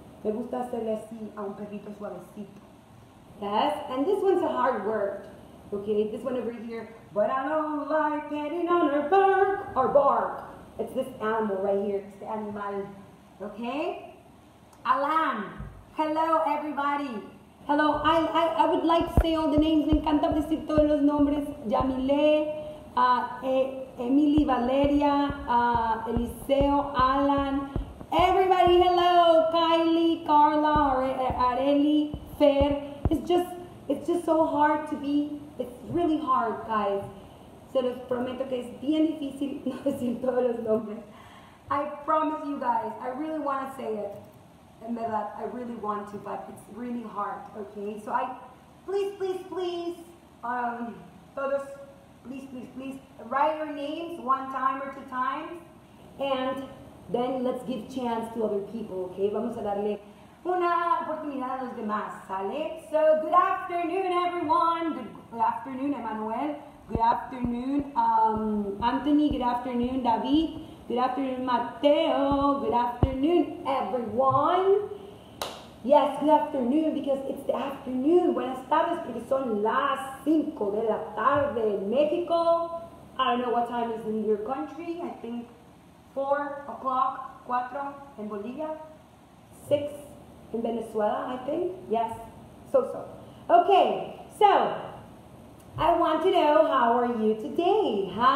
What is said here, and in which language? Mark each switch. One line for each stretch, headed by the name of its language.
Spanish: Me gusta hacerle así a un perrito suavecito.
English: Yes, and this one's a hard word. Okay, this one over here. But I don't like getting on her bark. It's this animal right here. It's the animal. Okay? Alan. Hello, everybody. Hello. I would like to say all the names.
Spanish: Me encanta decir todos los nombres.
English: Yamile, Emily, Valeria, Eliseo, Alan. Everybody, hello, Kylie, Carla, Areli, Fer. It's just so hard to be, it's really hard, guys.
Spanish: Se los prometo que es bien difícil no decir todos los nombres.
English: I promise you guys, I really want to say it.
Spanish: En verdad,
English: I really want to, but it's really hard, okay? So I, please, write your names one time or two times, and then let's give chance to other people, okay?
Spanish: Vamos a darle una oportunidad a los demás, ¿sale?
English: So, good afternoon, everyone. Good afternoon, Emmanuel. Good afternoon, Anthony. Good afternoon, David. Good afternoon, Mateo. Good afternoon, everyone. Yes, good afternoon, because it's the afternoon.
Spanish: Buenas tardes, porque son las cinco de la tarde en México.
English: I don't know what time is in your country. I think 4 o'clock, 4 in Bolivia, 6 in Venezuela, I think. Yes, so. Okay, so I want to know, how are you today?